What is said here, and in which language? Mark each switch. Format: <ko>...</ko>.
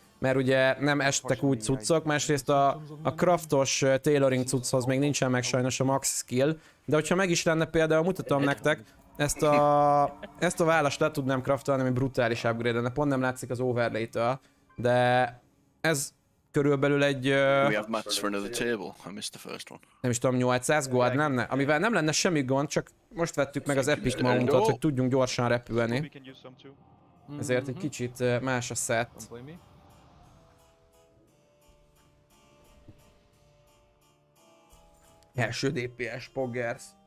<hu>Mert ugye nem estek úgy cuccok, másrészt a craftos tailoring cucchoz még nincsen meg sajnos a max skill. De hogyha meg is lenne például, mutatom nektek, ezt a vállast le tudnám craftolni, ami brutális upgrade lenne, pont nem látszik az overlay-től, de ez körülbelül egy...</hu> <en>We have mats for another table, I missed the first one.</en> <hu>Nem is tudom, 800 gold lenne? Amivel nem lenne semmi gond, csak most vettük meg az epic mountot, hogy tudjunk gyorsan repülni. Ezért egy kicsit más a set. Első DPS, poggers.</hu>